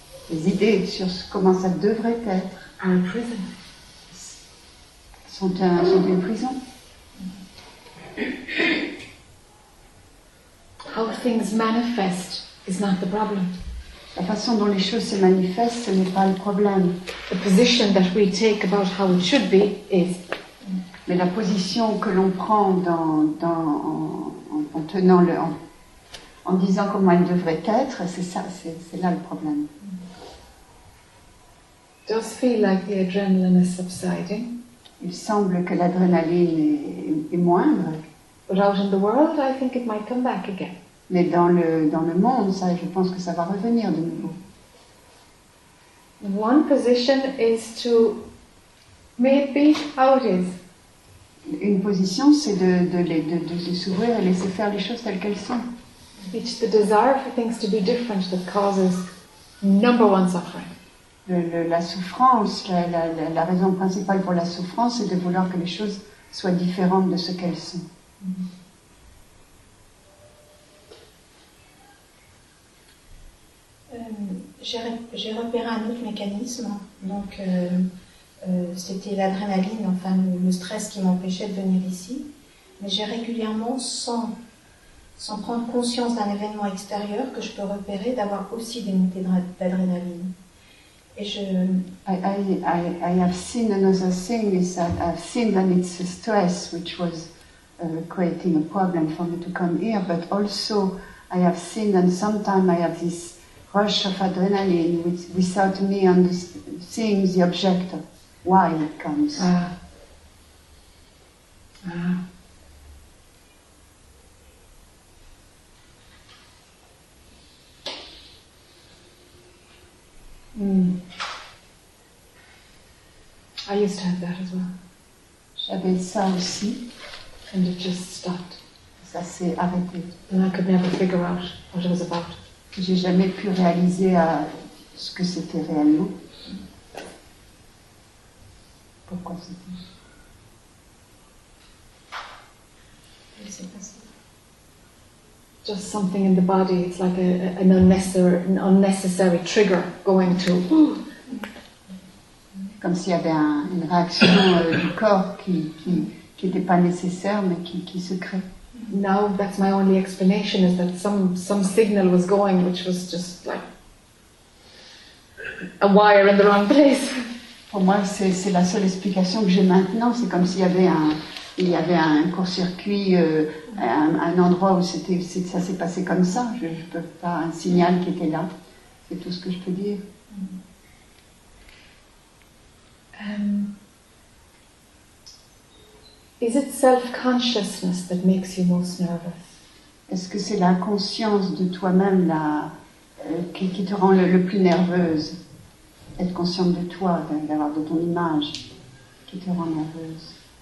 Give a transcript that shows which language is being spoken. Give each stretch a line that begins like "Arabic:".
French: Les idées sur comment ça devrait être.
English: Are a prison.
French: Sont une prison.
English: How things manifest is not the problem.
French: La façon dont les choses se manifestent, ce n'est pas le problème.
English: The position that we take about how it should be is.
French: Mais la position que l'on prend en disant comment elle devrait être, c'est là le problème.
English: It does feel like the adrenaline is subsiding.
French: Il semble que l'adrénaline est moindre.
English: But out in the world, I think it might come back again.
French: Mais dans le monde, ça, je pense que ça va revenir de nouveau.
English: One position is to maybe how it is.
French: Une position, c'est de s'ouvrir et laisser faire les choses telles qu'elles sont.
English: It's the desire for things to be different that causes number one suffering.
French: La souffrance, la raison principale pour la souffrance, c'est de vouloir que les choses soient différentes de ce qu'elles sont. J'ai repéré un autre mécanisme, donc c'était l'adrénaline, enfin le stress qui m'empêchait de venir ici. Mais j'ai régulièrement, sans prendre conscience d'un événement extérieur que je peux repérer, d'avoir aussi des montées d'adrénaline.
English: I have seen another thing is that I've seen that it's a stress which was creating a problem for me to come here, but also I have seen that sometimes I have this rush of adrenaline which, without me seeing the object of why it comes. I used to have that as well.
French: J'avais ça aussi.
English: And it just stopped.
French: Ça s'est arrêté.
English: And I could never figure out what it was about.
French: J'ai jamais pu réaliser ce que c'était réellement. Pourquoi c'était? Je sais pas.
English: Just something in the body, it's like an unnecessary trigger going to.
French: Comme s'il y avait une réaction du corps qui n'était pas nécessaire, mais qui se crée.
English: Now that's my only explanation, is that some signal was going, which was just like a wire in the wrong place.
French: Pour moi, c'est la seule explication que j'ai maintenant, c'est comme s'il y avait un court-circuit, un endroit où ça s'est passé comme ça. Je ne peux pas, un signal qui était là, c'est tout ce que je peux dire.
English: Is it self-consciousness that makes you most nervous?
French: Est-ce que c'est la conscience de toi-même qui te rend le plus nerveuse? Être consciente de toi, d'avoir de ton image qui te rend nerveuse?